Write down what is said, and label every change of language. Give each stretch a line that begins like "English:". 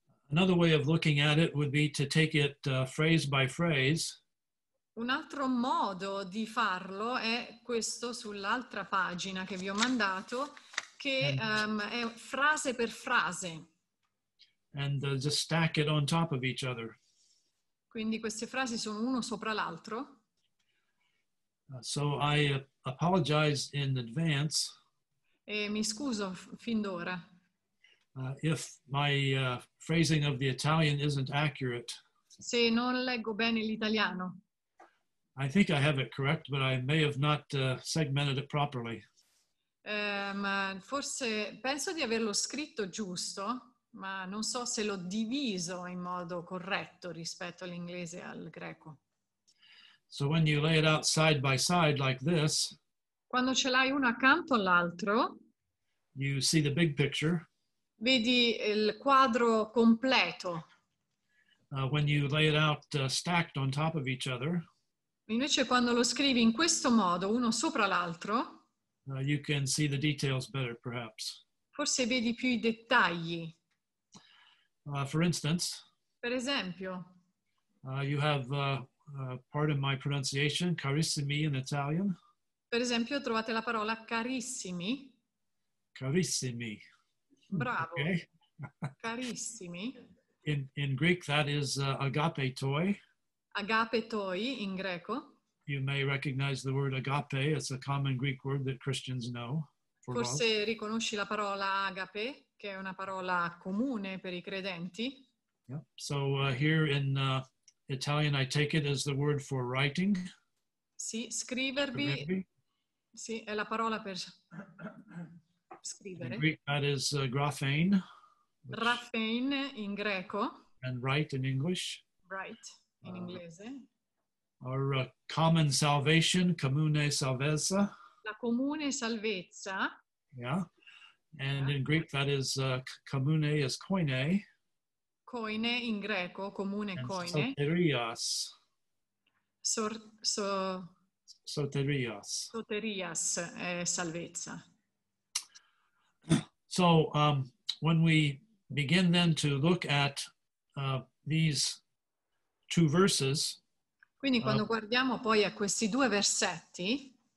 English: Another way of looking at it would be to take it phrase by phrase.
Italian: Un altro modo di farlo è questo sull'altra pagina che vi ho mandato, che è frase per frase.
English: And just stack it on top of each other.
Italian: Quindi queste frasi sono uno sopra l'altro.
English: So I apologize in advance.
Italian: E mi scuso fin d'ora.
English: If my phrasing of the Italian isn't accurate.
Italian: Se non leggo bene l'italiano.
English: I think I have it correct, but I may have not segmented it properly.
Italian: Forse penso di averlo scritto giusto, ma non so se l'ho diviso in modo corretto rispetto all'inglese e al greco.
English: So when you lay it out side by side like this.
Italian: Quando ce l'hai uno accanto all'altro.
English: You see the big picture.
Italian: Vedi il quadro completo.
English: When you lay it out stacked on top of each other.
Italian: Invece quando lo scrivi in questo modo, uno sopra l'altro,
English: you can see the details better, perhaps.
Italian: Forse vedi più i dettagli.
English: For instance,
Italian: per esempio,
English: you have, pardon my pronunciation, carissimi in Italian.
Italian: Per esempio, trovate la parola carissimi. Carissimi. Bravo. Okay. Carissimi.
English: In Greek, that is agape toi.
Italian: Agape toi in greco.
English: You may recognize the word agape. It's a common Greek word that Christians know.
Italian: Forse riconosci la parola agape, che è una parola comune per i credenti.
English: Yeah. So here in Italian, I take it as the word for writing.
Italian: Sì, scrivervi. Sì, è la parola per scrivere.
English: In Greek, that is graphein.
Italian: Graphein in greco.
English: And write in English.
Italian: Write. In inglese.
English: Or common salvation,
Italian: comune salvezza. La comune salvezza.
English: Yeah. And in Greek that is comune is koine.
Italian: Koine in greco, comune
English: and
Greek: koine. Soterias.
Italian: Soterias. Soterias è salvezza.
English: So when we begin then to look at these two verses,
Italian: quindi quando guardiamo poi a questi due versetti,